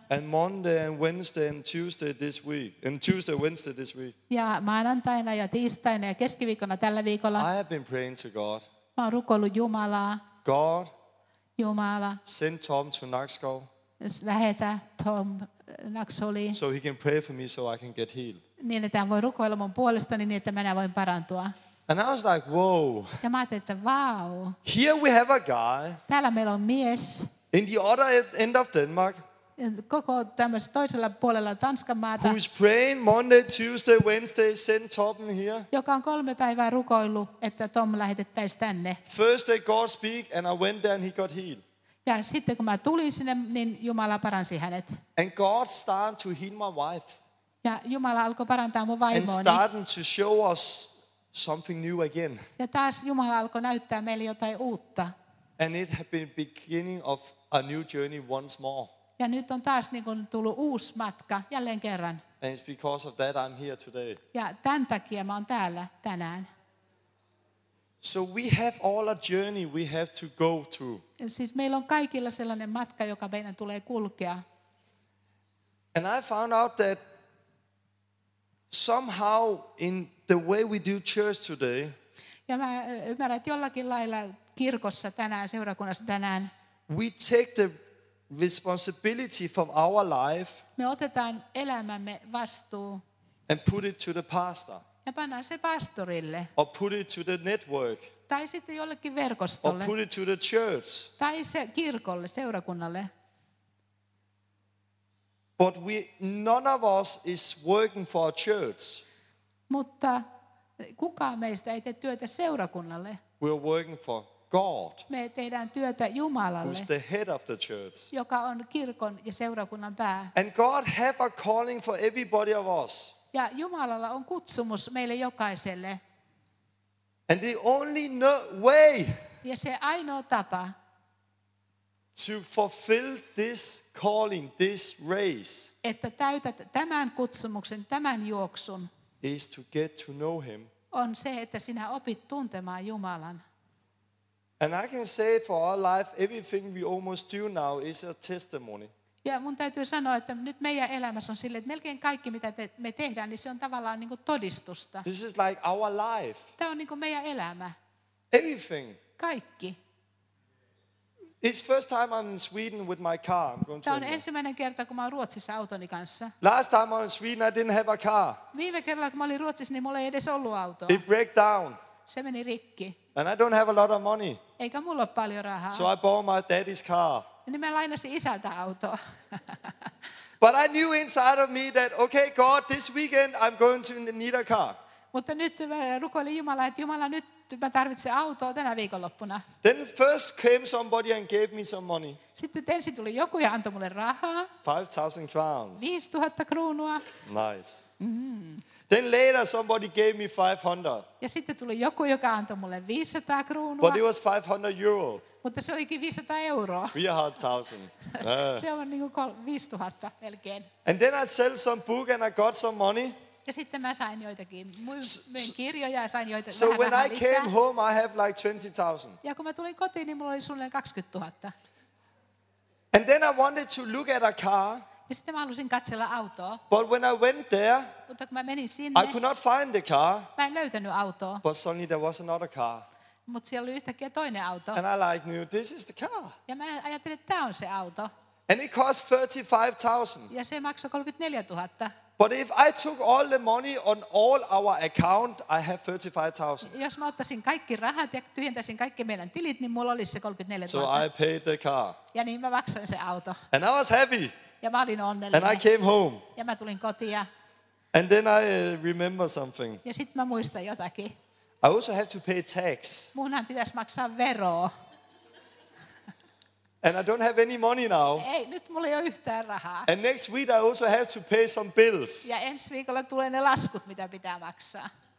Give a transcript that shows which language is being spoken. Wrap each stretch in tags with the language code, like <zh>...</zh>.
<en>And Monday and Wednesday and Tuesday this week. And Tuesday Wednesday this week.</en> <fi>Ja maanantaina ja tiistaina ja keskiviikkona tällä viikolla.</fi> <en>I have been praying to God.</en> <fi>Mä oon rukoillut Jumalaa.</fi> <en>God.</en> <fi>Jumala.</fi> <en>Send Tom to Nakskov.</en> <fi>Lähetä Tom Nakskoviin.</fi> <en>So he can pray for me so I can get healed.</en> <fi>Niin että hän voi rukoilla mun puolestani niin että minä voin parantua.</fi> <en>And I was like, whoa.</en> <fi>Ja mä ajattelin, että wow.</fi> <en>Here we have a guy.</en> <fi>Täällä meillä on mies.</fi> <en>In the other end of Denmark.</en> <fi>Koko tämmöisessä toisella puolella Tanskan maata.</fi> <en>Who is praying Monday, Tuesday, Wednesday, send Tom here.</en> <fi>Joka on 3 päivää rukoillut, että Tom lähetettäisiin tänne.</fi> <en>First day God speak and I went there and he got healed.</en> <fi>Ja sitten kun mä tulin sinne, niin Jumala paransi hänet.</fi> <en>And God started to heal my wife.</en> <fi>Ja Jumala alkoi parantaa mun vaimoani.</fi> <en>And starting to show us something new again.</en> <fi>Ja taas Jumala alkoi näyttää meille jotain uutta.</fi> <en>And it had been beginning of a new journey once more.</en> <fi>Ja nyt on taas niin kuin tullut uusi matka jälleen kerran.</fi> <en>And it's because of that I'm here today.</en> <fi>Ja tämän takia mä oon täällä tänään.</fi> <en>So we have all a journey we have to go through.</en> <fi>Siis meillä on kaikilla sellainen matka, joka meidän tulee kulkea.</fi> <en>And I found out that somehow in the way we do church today.</en> <fi>Ja mä ymmärrän, että jollakin lailla kirkossa tänään, seurakunnassa tänään.</fi> <en>We take the responsibility from our life.</en> <fi>Me otetaan elämämme vastuu.</fi> <en>And put it to the pastor.</en> <fi>Ja pannaan se pastorille.</fi> <en>Or put it to the network.</en> <fi>Tai sitten jollekin verkostolle.</fi> <en>Or put it to the church.</en> <fi>Tai se kirkolle, seurakunnalle.</fi> <en>But we none of us is working for a church.</en> <fi>Mutta kukaan meistä ei tee työtä seurakunnalle.</fi> <en>We are working for God.</en> <fi>Me tehdään työtä Jumalalle.</fi> <en>Who is the head of the church?</en> <fi>Joka on kirkon ja seurakunnan pää.</fi> <en>And God have a calling for everybody of us.</en> <fi>Ja Jumalalla on kutsumus meille jokaiselle.</fi> <en>And the only way.</en> <fi>Ja se ainoa tapa.</fi> <en>To fulfill this calling, this race.</en> <fi>Että täytät tämän kutsumuksen, tämän juoksun.</fi> <en>Is to get to know him.</en> <fi>On se, että sinä opit tuntemaan Jumalan.</fi> <en>And I can say for our life, everything we almost do now is a testimony.</en> <fi>Ja mun täytyy sanoa, että nyt meidän elämässä on sille, että melkein kaikki mitä me tehdään, niin se on tavallaan niin kuin todistusta.</fi> <en>This is like our life.</en> <fi>Tämä on niin kuin meidän elämä.</fi> <en>Everything.</en> <fi>Kaikki.</fi> <en>It's first time I'm in Sweden with my car. I'm going to</en> <fi>Tämä on ensimmäinen kerta, kun mä olen Ruotsissa autoni kanssa.</fi> <en>Last time I was in Sweden, I didn't have a car.</en> <fi>Viime kerralla, kun mä olin Ruotsissa, niin mulla ei edes ollut autoa.</fi> <en>It break down.</en> <fi>Se meni rikki.</fi> <en>And I don't have a lot of money.</en> <fi>Eikä mulla ole paljon rahaa.</fi> <en>So I bought my daddy's car.</en> <fi>Niin mä lainasin isältä autoa.</fi> <en>But I knew inside of me that, okay God, this weekend I'm going to need a car.</en> <fi>Mutta nyt mä rukoilin Jumala, että Jumala nyt mä tarvitsen autoa tänä viikonloppuna.</fi> <en>Then first came somebody and gave me some money.</en> <fi>Sitten ensin tuli joku ja antoi mulle rahaa.</fi> <en>5,000 crowns.</en> <fi>5,000 kruunua.</fi> <en>Nice. Mm-hmm. Then later somebody gave me 500.</en> <fi>Ja sitten tuli joku, joka antoi mulle 500 kruunua.</fi> <en>But it was 500 euro.</en> <fi>Mutta se olikin 500 euroa.</fi> <en>300,000.</en> <fi>Se on niin kuin 5,000 melkein.</fi> <en>And then I sell some book and I got some money.</en> <fi>Ja sitten mä sain joitakin, myin kirjoja ja sain joitakin</fi> <en>so</en> <fi>vähän</fi> <en>when</en> <fi>vähän</fi> <en>I came home, I have like 20,000.</en> <fi>Ja kun mä tulin kotiin, niin mulla oli suunnilleen 20,000.</fi> <en>And then I wanted to look at a car.</en> <fi>Ja sitten mä halusin katsella autoa.</fi> <en>But when I went there,</en> <fi>mutta kun mä menin sinne,</fi> <en>I could not find the car.</en> <fi>Mä en löytänyt autoa.</fi> <en>But suddenly there was another car.</en> <fi>Mutta siellä oli yhtäkkiä toinen auto.</fi> <en>And I like knew, this is the car.</en> <fi>Ja mä ajattelin, että tää on se auto.</fi> <en>And it cost 35,000.</en> <fi>Ja se maksoi 34,000.</fi> <en>But if I took all the money on all our account, I have 35,000.</en> <fi>Jos mä ottaisin kaikki rahat ja tyhjentäisin kaikki meidän tilit, niin mulla olisi se 34,000.</fi> <en>So I paid the car.</en> <fi>Ja niin mä maksoin se auto.</fi> <en>And I was happy.</en> <fi>Ja mä olin onnellinen.</fi> <en>And I came home.</en> <fi>Ja mä tulin kotiin.</fi> <en>And then I remember something.</en> <fi>Ja sit mä muistan jotakin.</fi> <en>I also have to pay tax.</en> <fi>Munhan pitäisi maksaa veroa.</fi> <en>And I don't have any money now.</en> <fi>Ei, nyt mulla ei ole yhtään rahaa.</fi> <en>And next week I also have to pay some bills.</en> <fi>Ja ensi viikolla tulee ne laskut, mitä pitää maksaa.</fi>